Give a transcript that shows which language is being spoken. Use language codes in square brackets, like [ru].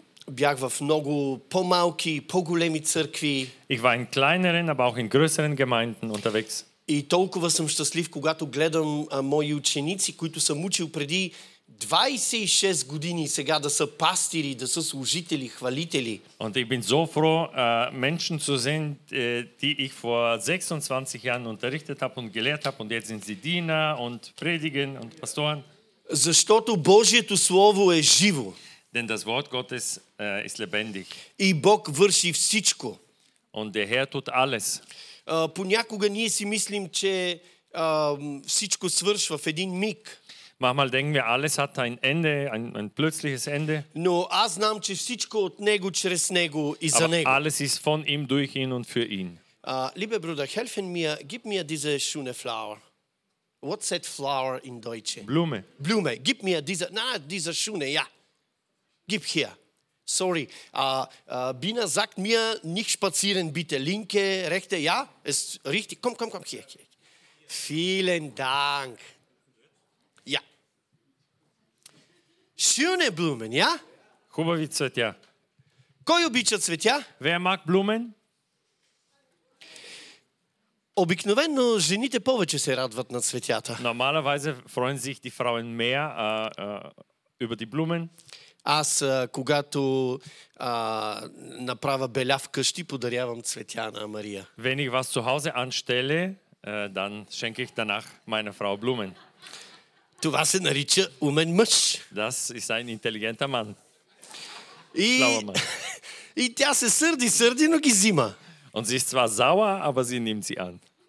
[bg] Бях в много по-малки, по-големи църкви. [de] Ich war in kleineren, aber auch in größeren Gemeinden unterwegs. [bg] И толкова съм щастлив, когато гледам мои ученици, които съм учил преди 26 години, сега да са пастири, да са служители, хвалители. [de] Und ich bin so froh, Menschen zu sehen, die ich vor 26 Jahren unterrichtet habe und gelehrt habe, und jetzt sind sie Diener und predigen und Pastoren. [bg] Защото Божието слово е живо. [de] Denn das Wort Gottes ist lebendig. [bg] И Бог върши всичко. [de] Und der Herr tut alles. [bg] Понякога ние си мислим, че всичко свършва в един миг. [de] Manchmal denken wir, alles hat ein Ende, ein plötzliches Ende. [bg] Но аз знам, че всичко от него, чрез него и за него. [de] Alles ist von ihm, durch ihn und für ihn. Liebe Bruder, helfen mir, gib mir diese schöne Flower. [en] What's that flower in Deutsch? [de] Blume. Blume, gib mir diese, diese schöne, ja. Gib hier. Sorry. Bina sagt mir, nicht spazieren bitte, linke, rechte, ja, ist richtig. Komm, hier. Vielen Dank. Schöne Blumen, ja? [bg] Хубави цветя. Кой обича цветя? [de] Wer mag Blumen? [bg] Обикновено жените повече се радват на цветята. [de] Normalerweise freuen sich die Frauen mehr über die Blumen. [bg] Аз когато направя беля вкъщи, подарявам цветя на Мария. [de] Wenn ich was zu Hause anstelle, dann schenke ich danach meiner Frau Blumen. [bg] Това се нарича умен мъж. [de] Das ist ein intelligenter Mann. [bg] И тя се сърди, но ги взима. [de] Und sie ist zwar sauer, aber sie nimmt sie an.